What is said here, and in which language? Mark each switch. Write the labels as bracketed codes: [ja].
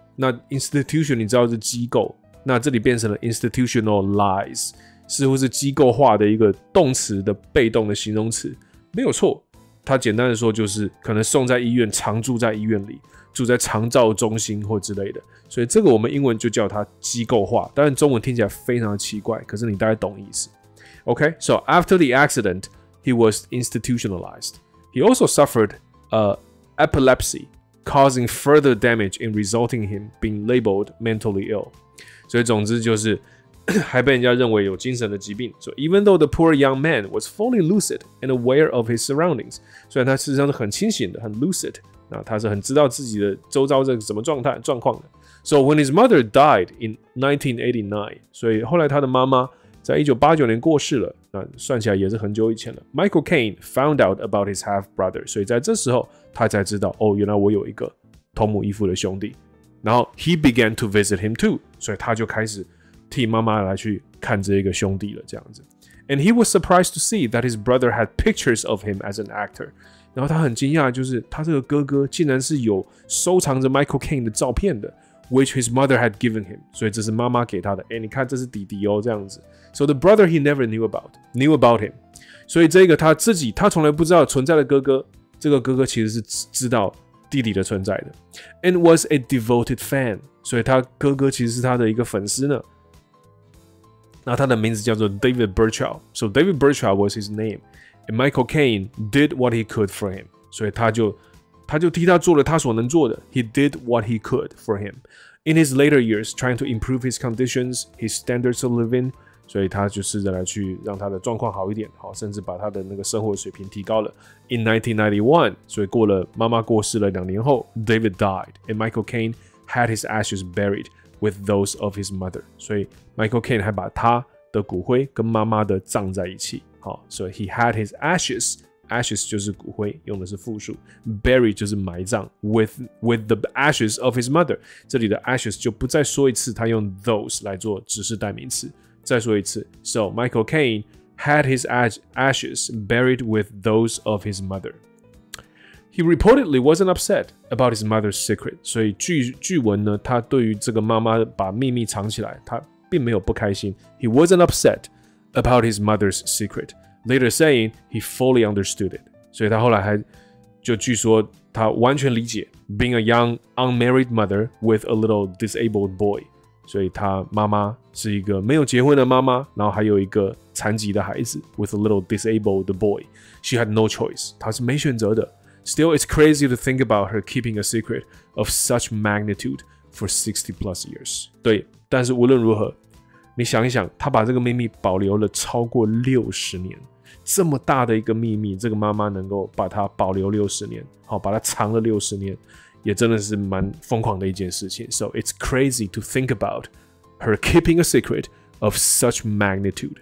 [zh] 那 institution 你知道是机构，那这里变成了 institutionalize， 似乎是机构化的一个动词的被动的形容词，没有错。他简单的说就是可能送在医院，常住在医院里，住在长照中心或之类的。所以这个我们英文就叫它机构化，当然中文听起来非常的奇怪，可是你大概懂意思。 [en] OK， so after the accident， he was institutionalized. He also suffered epilepsy. causing further damage and resulting him being labeled mentally ill. [zh] 所以总之就是还被人家认为有精神的疾病。 [en] So even though the poor young man was fully lucid and aware of his surroundings, [zh] 虽然他事实上是很清醒的，很 lucid， 那他是很知道自己的周遭这个什么状况的。 [en] So when his mother died in 1989, [zh] 所以后来他的妈妈在1989年过世了，那算起来也是很久以前了。 [en] Michael Caine found out about his half-brother， [zh] 所以在这时候他才知道，哦，原来我有一个同母异父的兄弟。然后 [en] he began to visit him too， [zh] 所以他就开始替妈妈来去看这个兄弟了，这样子。 [en] And he was surprised to see that his brother had pictures of him as an actor。 [zh] 然后他很惊讶，就是他这个哥哥竟然是有收藏着 Michael Caine 的照片的。 [en] Which his mother had given him. [zh] 所以这是妈妈给他的。欸，你看这是弟弟哦，这样子。 [en] So the brother he never knew about him. [zh] 所以这个他自己，他从来不知道存在的哥哥，这个哥哥其实是知道弟弟的存在的。 [en] And was a devoted fan. [zh] 所以他哥哥其实是他的一个粉丝呢。那他的名字叫做 [en] David Burchell. So David Burchell was his name. And Michael Caine did what he could for him. [zh] 所以他就替他做了他所能做的。 [en] He did what he could for him. In his later years, trying to improve his conditions, his standards of living, [zh] 所以他就试着来去让他的状况好一点，好，甚至把他的那个生活水平提高了。 [en] In 1991, [zh] 所以过了妈妈过世了两年后 [en] ，David died, and Michael Caine had his ashes buried with those of his mother. [zh] 所以 Michael Caine 还把他的骨灰跟妈妈的葬在一起。好，所以 [en] he had his ashes. Ashes [zh] 就是骨灰，用的是复数。 Bury 就是埋葬。 [en] With the ashes of his mother， [zh] 这里的 ashes 就不再说一次，他用 those 来做指示代名词。再说一次 [en] ，So Michael Caine had his ashes buried with those of his mother. He reportedly wasn't upset about his mother's secret. [zh] 所以据闻呢，他对于这个妈妈把秘密藏起来，他并没有不开心。 [en] He wasn't upset about his mother's secret. Later saying he fully understood it. [zh] 所以他后来还就据说他完全理解 [en] being a young unmarried mother with a little disabled boy. [zh] 所以他妈妈是一个没有结婚的妈妈，然后还有一个残疾的孩子 [en] with a little disabled boy. She had no choice. [zh] 他是没选择的。 [en] Still, it's crazy to think about her keeping a secret of such magnitude for 60 plus years. [zh] 对，但是无论如何你想一想，他把这个秘密保留了超过60年，这么大的一个秘密，这个妈妈能够把它保留60年，好，把它藏了60年，也真的是蛮疯狂的一件事情。 [en] So it's crazy to think about her keeping a secret of such magnitude.